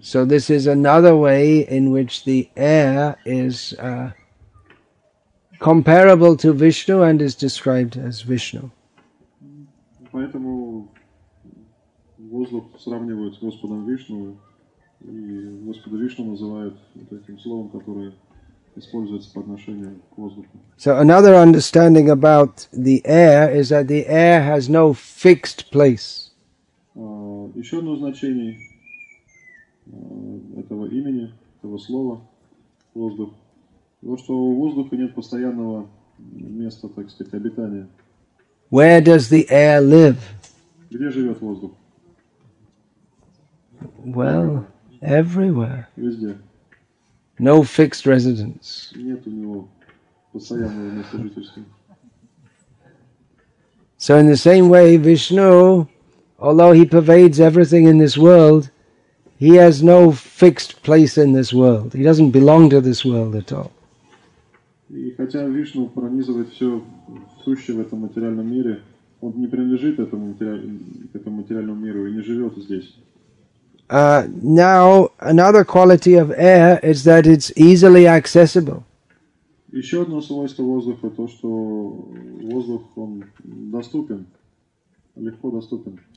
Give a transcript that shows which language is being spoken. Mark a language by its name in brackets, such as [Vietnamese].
[English] So this is another way in which the air is comparable to Vishnu and is described as Vishnu. [Russian] Поэтому воздух сравнивают с Господом Вишну, и Господа Вишну называют вот этим словом, которое используется по отношению к воздуху. [English] So another understanding about the air is that the air has no fixed place. [Russian] Еще одно значение этого имени, этого слова, воздух, то, что у воздуха нет постоянного места, так сказать, обитания. [English] Where does the air live? [Russian] Где живет воздух? [English] Well, everywhere. [Russian] Везде. [English] No fixed residence. [Russian] Нет у него постоянного места жительства. [English] So in the same way, Vishnu, although he pervades everything in this world, he has no fixed place in this world. He doesn't belong to this world at all. [Russian] И хотя Вишну пронизывает все сущее в этом материальном мире, он не принадлежит этому материальному миру и не живет здесь. [English] Now another quality of air is that it's easily accessible. [Russian] Еще одно свойство воздуха то, что воздух он доступен, легко доступен.